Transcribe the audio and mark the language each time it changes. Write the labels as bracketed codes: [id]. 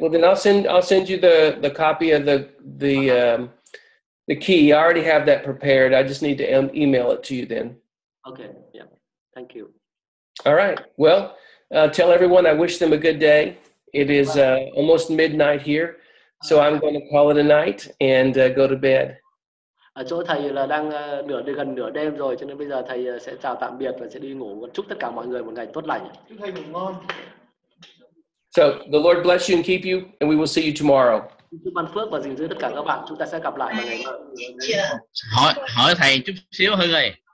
[en] Well, then I'll send you the copy of the key. I already have that prepared. I just need to email it to you then. Okay. Yeah. Thank you. All right. Well, tell everyone I wish them a good day. It is almost midnight here, so I'm going to call it a night and go to bed. [vi] Ở chỗ thầy là đang gần nửa đêm rồi, cho nên bây giờ thầy sẽ chào tạm biệt và sẽ đi ngủ. Chúc tất cả mọi người một ngày tốt lành. Chúc thầy ngủ ngon. [en] So, the Lord bless you and keep you, and we will see you tomorrow. [vi] Chúc ban phước và gìn giữ tất cả các bạn. Chúng ta sẽ gặp lại vào ngày mai. Hỏi thầy chút xíu Hưng ơi.